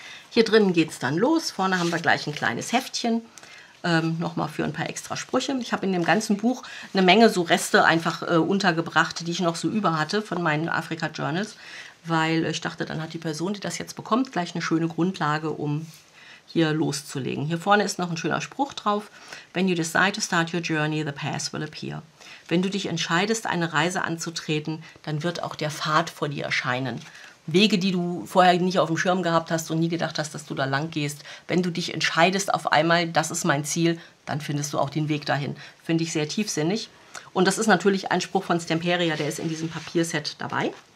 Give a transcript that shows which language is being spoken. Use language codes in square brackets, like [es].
[de] Hier drinnen geht es dann los. Vorne haben wir gleich ein kleines Heftchen. Nochmal für ein paar extra Sprüche. Ich habe in dem ganzen Buch eine Menge so Reste einfach untergebracht, die ich noch so über hatte von meinen Afrika-Journals, weil ich dachte, dann hat die Person, die das jetzt bekommt, gleich eine schöne Grundlage, um hier loszulegen. Hier vorne ist noch ein schöner Spruch drauf. [en] When you decide to start your journey, the path will appear. [de] Wenn du dich entscheidest, eine Reise anzutreten, dann wird auch der Pfad vor dir erscheinen. Wege, die du vorher nicht auf dem Schirm gehabt hast und nie gedacht hast, dass du da lang gehst. Wenn du dich entscheidest auf einmal, das ist mein Ziel, dann findest du auch den Weg dahin. Finde ich sehr tiefsinnig. Und das ist natürlich ein Spruch von Stamperia, der ist in diesem Papierset dabei.